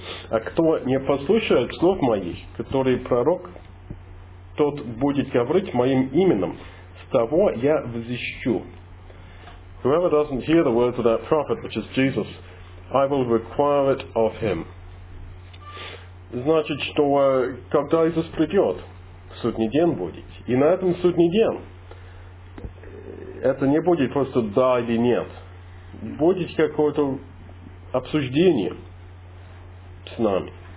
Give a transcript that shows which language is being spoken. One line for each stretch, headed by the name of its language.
Russian: А кто не послушает слов моих, которые пророк, тот будет говорить моим именем, с того я взыщу.
English: Whoever doesn't hear the words of that prophet, which is Jesus, I will require it of him.
Russian: Значит, что когда Иисус придет, судный день будет. И на этом судный день это не будет просто да или нет. Будет какое-то обсуждение с нами.